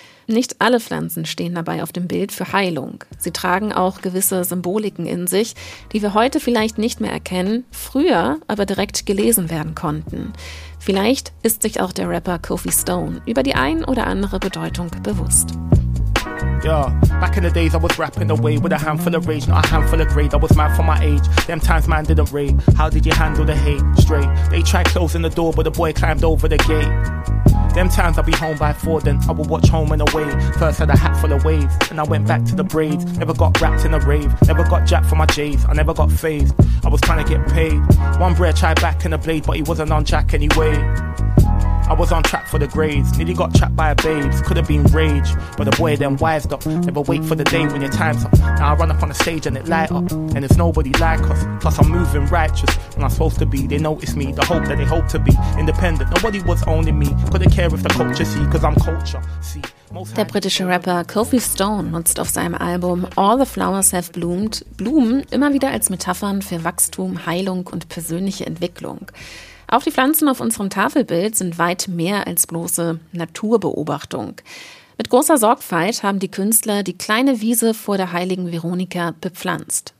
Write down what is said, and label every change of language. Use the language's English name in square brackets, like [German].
[German] Nicht alle Pflanzen stehen dabei auf dem Bild für Heilung. Sie tragen auch gewisse Symboliken in sich, die wir heute vielleicht nicht mehr erkennen, früher aber direkt gelesen werden konnten. Vielleicht ist sich auch der Rapper Kofi Stone über die ein oder andere Bedeutung bewusst. [English] Yeah, back in the days I was rapping away with a handful of rage, not a handful of grade. I was mad for my age, them times man didn't rate. How did you handle the hate? Straight. They tried closing the door, but the boy climbed over the gate. Them times I'll be home by four, then I will watch home and away. First had a hat full of waves, and I went back to the braids. Never got wrapped in a rave, never got jacked for my J's. I never got phased, I was trying to get paid. One bread tried back in the blade, but he wasn't on jack anyway. I was on track for the grades, nearly got trapped by a babes. Could have been rage, but the boy then wised up. Never wait for the day when your time's up. Now I run up on the stage and it light up, and there's nobody like us. Plus I'm moving righteous, when I'm supposed to be. They notice me, the hope that they hope to be. Independent, nobody was owning me. Couldn't care if the culture see, cause I'm culture, see. [German] Der britische Rapper Kofi Stone nutzt auf seinem Album All the Flowers Have Bloomed Blumen immer wieder als Metaphern für Wachstum, Heilung und persönliche Entwicklung. Auch die Pflanzen auf unserem Tafelbild sind weit mehr als bloße Naturbeobachtung. Mit großer Sorgfalt haben die Künstler die kleine Wiese vor der heiligen Veronika bepflanzt.